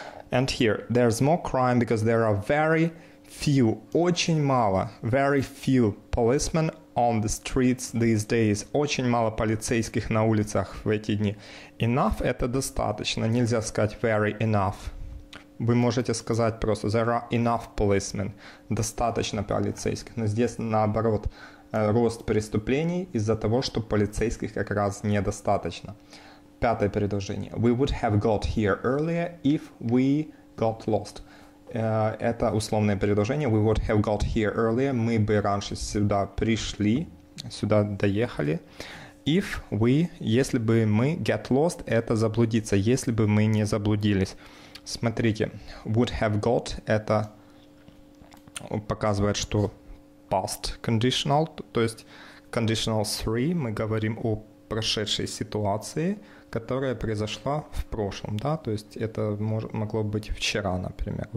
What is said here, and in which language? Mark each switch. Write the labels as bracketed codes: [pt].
[en] And here, there's more crime because there are very few, [ru] очень мало, [en] very few policemen on the streets these days. [ru] Очень мало полицейских на улицах в эти дни. Enough – это достаточно. Нельзя сказать very enough. Вы можете сказать просто [en] there are enough policemen. [ru] Достаточно полицейских. Но здесь наоборот, рост преступлений из-за того, что полицейских как раз недостаточно. Пятое предложение. [en] We would have got here earlier if we got lost. [ru] Это условное предложение. [en] We would have got here earlier. [ru] Мы бы раньше сюда пришли, сюда доехали. [en] If we, [ru] если бы мы, get lost, это заблудиться, если бы мы не заблудились. Смотрите, [en] would have got, [ru] это показывает, что past conditional, то есть conditional 3, мы говорим о прошедшей ситуации, которая произошла в прошлом, да, то есть это могло быть вчера, например.